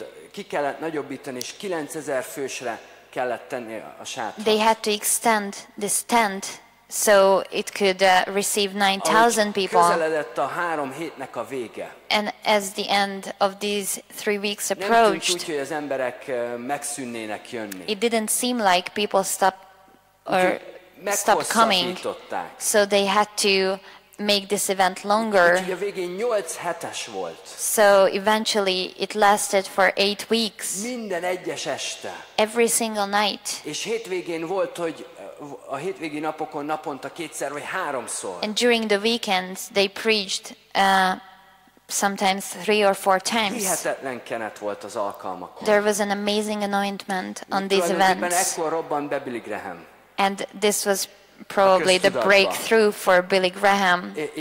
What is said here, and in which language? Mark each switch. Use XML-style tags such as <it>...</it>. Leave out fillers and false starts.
<hu>Ki kellett nagyobbítani, és 9,000 fősre kellett tenni a sátrat.</hu> <en>They had to extend this tent so it could receive 9,000 people.</en> <hu>Közeledett a három hétnek a vége.</hu> <en>And as the end of these three weeks approached,</en> <hu>nem tűnt úgy, hogy az emberek megszűnnének jönni.</hu> <en>It didn't seem like people stopped coming. So they had to make this event longer.</en> <hu>A végén 8 hetes volt.</hu> <en>So eventually it lasted for 8 weeks.</en> <hu>Minden egyes este.</hu> <en>Every single night.</en> <hu>És hétvégén volt, hogy a hétvégi napokon naponta kétszer vagy háromszor.</hu> <en>And during the weekends they preached sometimes 3 or 4 times.</en> <hu>Hihetetlen kenet volt az alkalmakon.</hu> <en>There was an amazing anointment on these events.</en> <hu>Ekkor robbant be Billy Graham.</hu> <en>And this was probably the breakthrough for Billy Graham.</en>